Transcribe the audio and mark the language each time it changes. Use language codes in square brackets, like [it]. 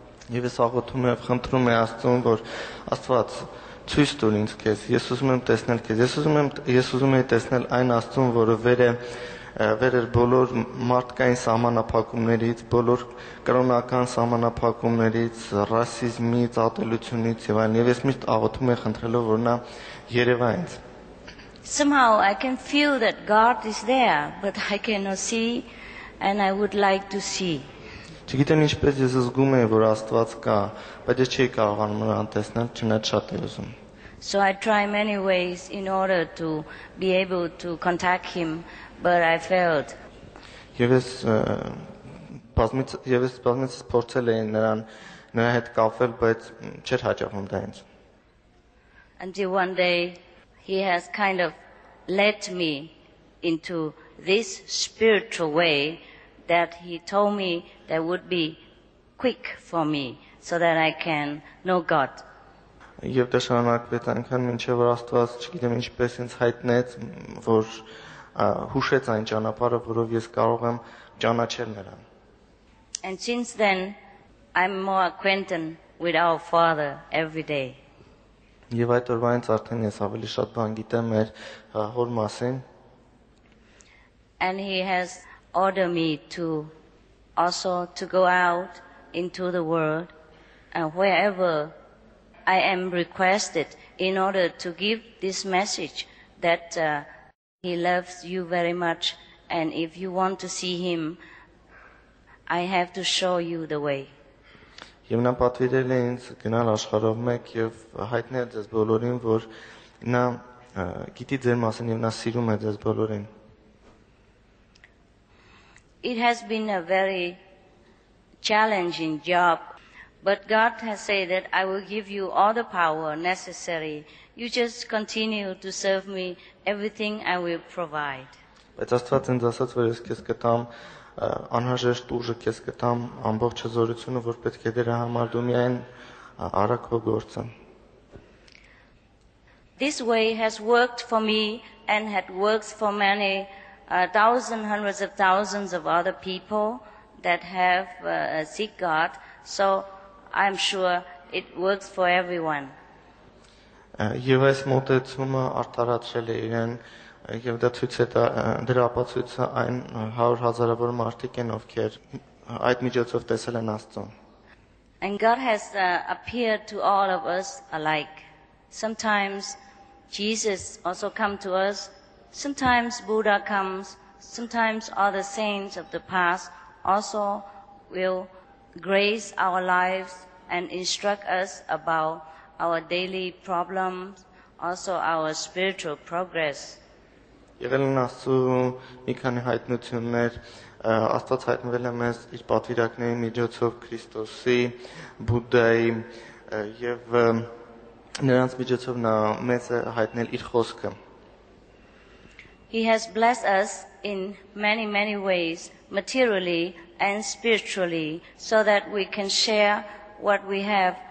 [hy] Եվ ես աղոթում եմ, խնդրում եմ Աստծուն, որ Աստված, ցույց տուր ինձ քեզ, ես ուզում եմ տեսնել քեզ, ես ուզում եմ տեսնել այն Աստծուն, որը վեր է բոլոր մարդկային սահմանափակումներից, բոլոր կրոնական սահմանափակումներից, ռասիզմից, ատելությունից եւ այլն, եւ ես միշտ աղոթում եմ խնդրելով, որ նա երևա ինձ. [en] Somehow I can feel that God is there, but I cannot see, and I would like to see. [hy] Չգիտեմ ինչպես ես զգում եմ, որ Աստված կա, բայց ես չի կարողանում նրան տեսնել, չնայած շատ եմ ուզում. [en] So I try many ways in order to be able to contact him, but I failed. [hy] Եվ ես բազմից փորձել եմ նրա հետ կապվել, բայց չէր հաջողվում դա ինձ. [en] Until one day he has kind of led me into this spiritual way that he told me that would be quick for me so that I can know God. [hy] Եվ դա շարունակվեց անգամ մինչև որ Աստված, չգիտեմ ինչպես, ինձ հայտնեց, որ հուշեց այն ճանապարհը, որով ես կարող եմ ճանաչել նրան. [en] And since then I'm more acquainted with our Father every day. [hy] Եվ այդ օրվանից արդեն ես ավելի շատ բան գիտեմ մեր հոր մասին։ [en] And he has ordered me to also to go out into the world and wherever I am requested in order to give this message that he loves you very much, and if you want to see him, I have to show you the way. [hy] Եվ նա պատվիրել է ինձ գնալ աշխարհով մեկ եւ հայտնել ձեզ բոլորին, որ նա գիտի ձեր մասին եւ նա սիրում է ձեզ բոլորին։ [en] It has been a very challenging job, but God has said that I will give you all the power necessary. You just continue to serve me, everything I will provide. [hy] Բայց Աստված ինձ ասաց, որ ես քեզ կտամ անհրաժեշտ ուժը, քեզ կտամ ամբողջ զորությունը, որ պետք է դերը համար դու միայն արաք քո գործը։ [en] This way has worked for me and had works for many thousands, hundreds of thousands of other people that have seek God, so I'm sure it works for everyone. [hy] Եվ այս մոտեցումը արդարացրել է իրեն, եւ դա ցույց է տա, դրա ապացույցը այն 100 հազարավոր մարդիկ են, ովքեր այդ միջոցով տեսել են Աստծո։ [en] And God has appeared to all of us alike. Sometimes Jesus also come to us. Sometimes Buddha comes, sometimes other saints of the past also will grace our lives and instruct us about our daily problems, also our spiritual progress. [hy] Եղել են Աստծո մի քանի հայտնություններ, Աստված հայտնվել է մեզ իր պատվիրակների միջոցով, Քրիստոսի, Բուդդայի, եւ նրանց միջոցով նա մեզ է հայտնել իր խոսքը։ [en] He has blessed us in many, many ways, materially and spiritually, so that we can share what we have